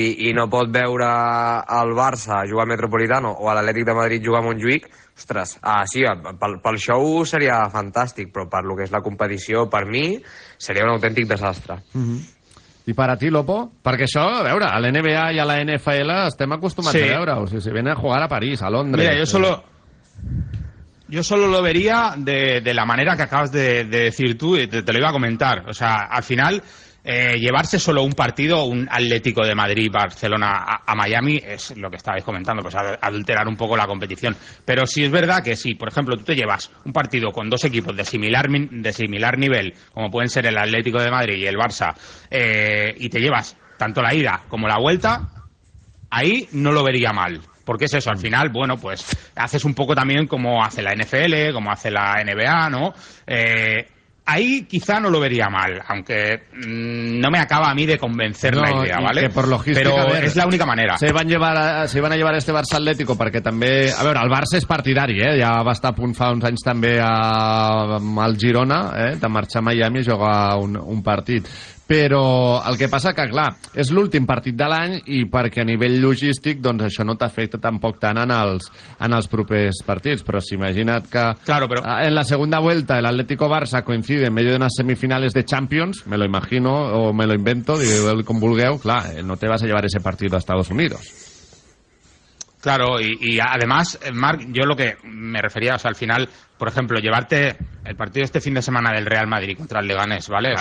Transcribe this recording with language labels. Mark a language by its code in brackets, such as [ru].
[ca] i no pot veure el Barça jugar a Metropolitano o a l'Atlètic de Madrid jugar a Montjuïc, ostres, sí, pel show seria fantàstic, però per lo que és la competició, per mi, seria un autèntic desastre. I per a ti, Lopo? Perquè això, a veure, a l'NBA i a la NFL estem acostumats sí. A veure, o sigui, si venen a jugar a París, a Londres... [es] Mira, Yo solo lo vería de la manera que acabas de decir tú y te lo iba a comentar. O sea, al final Llevarse solo un partido, un Atlético de Madrid-Barcelona a Miami, es lo que estabais comentando, pues adulterar un poco la competición. Pero sí es verdad que si, por ejemplo, tú te llevas un partido con dos equipos de similar nivel, como pueden ser el Atlético de Madrid y el Barça, y te llevas tanto la ida como la vuelta, ahí no lo vería mal. Porque es eso, al final, bueno, pues haces un poco también como hace la NFL, como hace la NBA, ¿no? Ahí quizá no lo vería mal, aunque no me acaba a mí de convencer la idea, ¿vale? Que por logística, pero a ver, es la única manera. Se van a llevar a este Barça Atlético [ca] perquè també... A veure, el Barça és partidari, eh? Ja va estar a punt fa uns anys també al Girona, de marxar a Miami i jugar un partit. Però el que passa que, clar, és l'últim partit de l'any i perquè a nivell logístic doncs això no t'afecta tampoc tant en els propers partits. Però s'imagina't que [es] claro, pero... en la segunda vuelta el Atlético Barça coincide en medio de unas semifinales de Champions, me lo imagino o me lo invento, [ca] digueu com vulgueu, clar, [es] no te vas a llevar ese partido a Estados Unidos. Claro, y además, Marc, yo lo que me refería, o sea, al final, por ejemplo, llevarte el partido este fin de semana del Real Madrid contra el Leganés, ¿vale?